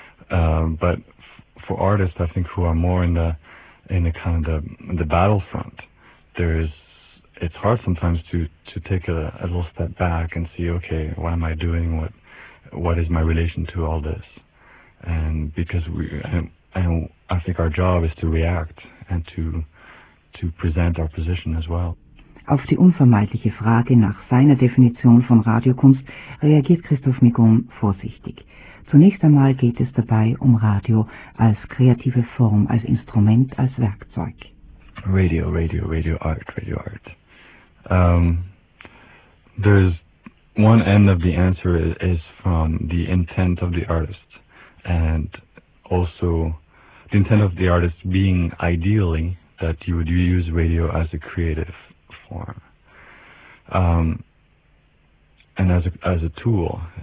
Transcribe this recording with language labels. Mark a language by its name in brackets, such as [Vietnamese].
[English] But for artists, I think, who are more in the kind of the battlefront, it's hard sometimes to take a little step back and see, okay, what am I doing? What is my relation to all this? And because and I think our job is to react and to present our position as well. [German] Auf die unvermeidliche Frage nach seiner Definition von Radiokunst reagiert Christoph Migon vorsichtig. Zunächst einmal geht es dabei um Radio als kreative Form, als Instrument, als Werkzeug. [English] Radio Art. There's one end of the answer is from the intent of the artist, and also the intent of the artist being ideally that you would use radio as a creative form, and as a tool.